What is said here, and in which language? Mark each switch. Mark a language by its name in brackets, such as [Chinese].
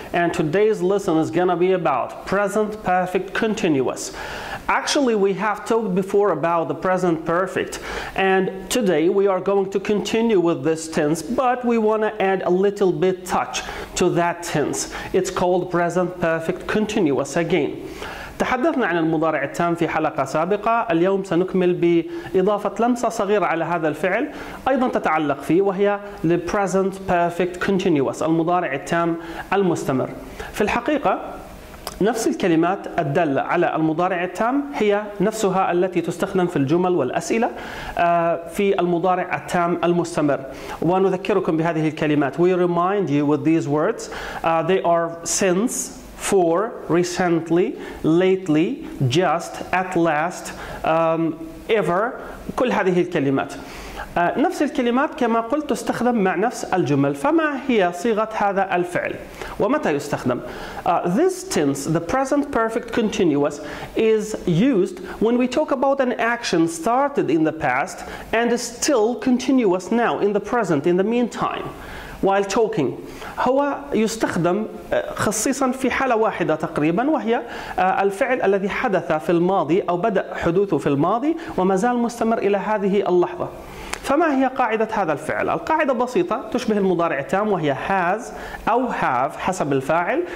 [English] And today's lesson is gonna be about present perfect continuous. Actually, we have talked before about the present perfect. And today we are going to continue with this tense, but we wanna add a little bit touch to that tense. It's called present perfect continuous again. [Arabic] تحدثنا عن المضارع التام في حلقة سابقة، اليوم سنكمل بإضافة لمسة صغيرة على هذا الفعل أيضا تتعلق فيه، وهي the present perfect continuous، المضارع التام المستمر. في الحقيقة نفس الكلمات الدالة على المضارع التام هي نفسها التي تستخدم في الجمل والأسئلة في المضارع التام المستمر. ونذكركم بهذه الكلمات، [English] we remind you with these words, they are since, for, recently, lately, just, at last, ever, [Arabic] كل هذه الكلمات. نفس الكلمات كما قلت تستخدم مع نفس الجمل. فما هي صيغة هذا الفعل ومتى يستخدم؟ [English] This tense, the present perfect continuous, is used when we talk about an action started in the past and is still continuous now, in the present, in the meantime. While talking, [Arabic] هو يستخدم خصيصا في حالة واحدة تقريبا، وهي الفعل الذي حدث في الماضي أو بدأ حدوثه في الماضي وما زال مستمر إلى هذه اللحظة. فما هي قاعدة هذا الفعل؟ القاعدة بسيطة تشبه المضارع التام، وهي has أو have حسب الفاعل.